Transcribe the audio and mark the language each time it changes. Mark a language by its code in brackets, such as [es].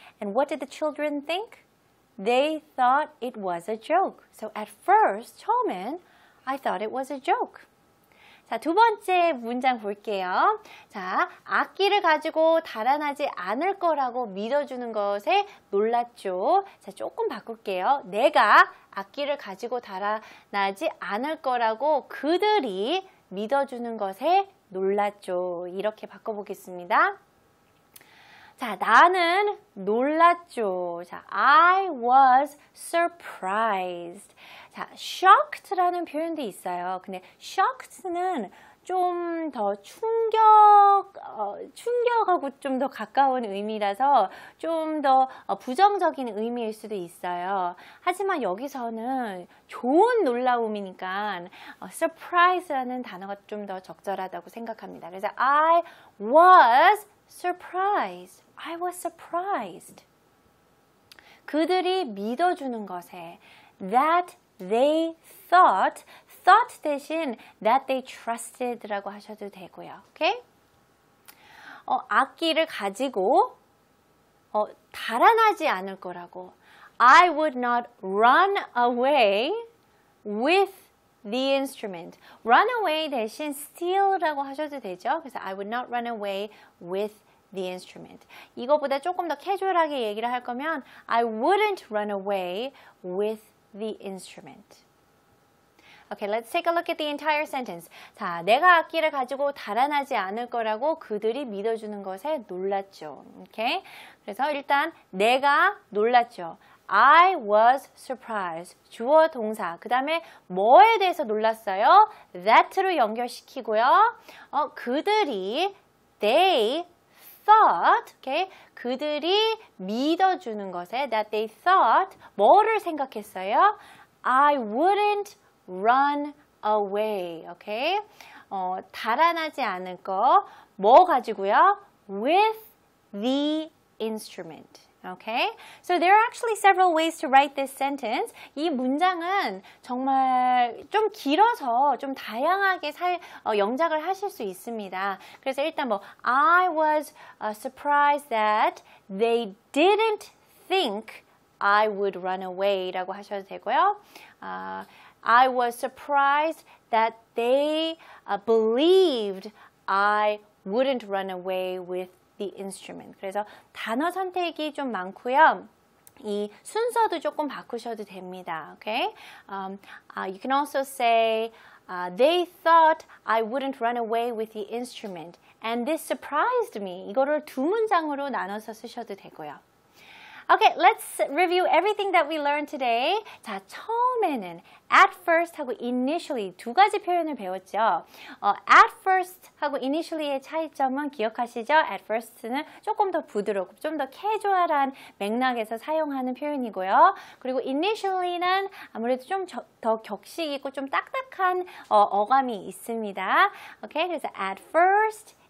[en] And what did the children think? They thought it was a joke. So at first, [ko] 처음엔 [en] I thought it was a joke. [ko] 자, 두 번째 문장 볼게요. 자, 악기를 가지고 달아나지 않을 거라고 믿어주는 것에 놀랐죠. 자, 조금 바꿀게요. 내가 악기를 가지고 달아나지 않을 거라고 그들이 믿어주는 것에 놀랐죠. 이렇게 바꿔보겠습니다. 자, 나는 놀랐죠. 자, [en] I was surprised. [ko] 자, shocked라는 표현도 있어요. 근데 shocked는 좀 더 충격하고 좀 더 가까운 의미라서 좀 더 부정적인 의미일 수도 있어요. 하지만 여기서는 좋은 놀라움이니까 surprise라는 단어가 좀 더 적절하다고 생각합니다. 그래서 [en] I was surprised. I was surprised. [ko] 그들이 믿어주는 것에 [en] that they thought, thought 대신 that they trusted라고 하셔도 되고요. Okay? [ko] 악기를 가지고 달아나지 않을 거라고 [en] I would not run away with the instrument. [ko] Run away 대신 steal라고 하셔도 되죠. 그래서 [en] I would not run away with the instrument. [ko] 이거보다 조금 더 캐주얼하게 얘기를 할 거면 [en] I wouldn't run away with the instrument. Okay, let's take a look at the entire sentence. [ko] 자, 내가 악기를 가지고 달아나지 않을 거라고 그들이 믿어주는 것에 놀랐죠. [en] Okay? [ko] 그래서 일단 내가 놀랐죠. [en] I was surprised. [ko] 주어 동사. 그 다음에 뭐에 대해서 놀랐어요? That로 연결시키고요. 그들이 [en] they thought, okay? [ko] 그들이 믿어주는 것에 [en] that they thought [ko] 뭐를 생각했어요? [en] I wouldn't run away, okay? [ko] 달아나지 않을 거, 뭐 가지고요? [en] With the instrument. Okay, so there are actually several ways to write this sentence. [ko] 이 문장은 정말 좀 길어서 좀 다양하게 영작을 하실 수 있습니다. 그래서 일단 뭐 [en] I was surprised that they didn't think I would run away 라고 하셔도 되고요. I was surprised that they believed I wouldn't run away with the instrument. [ko] 그래서 단어 선택이 좀 많고요. 이 순서도 조금 바꾸셔도 됩니다. [en] Okay? You can also say they thought I wouldn't run away with the instrument and this surprised me. [ko] 이거를 두 문장으로 나눠서 쓰셔도 되고요. [en] Okay, let's review everything that we learned today. [ko] 자, 처음에는 at first 하고 initially 두 가지 표현을 배웠죠. At first 하고 initially의 차이점은 기억하시죠? At first는 조금 더 부드럽고 좀 더 캐주얼한 맥락에서 사용하는 표현이고요. 그리고 initially는 아무래도 좀 더 격식 있고 좀 딱딱한 어감이 있습니다. Okay, 그래서 at first,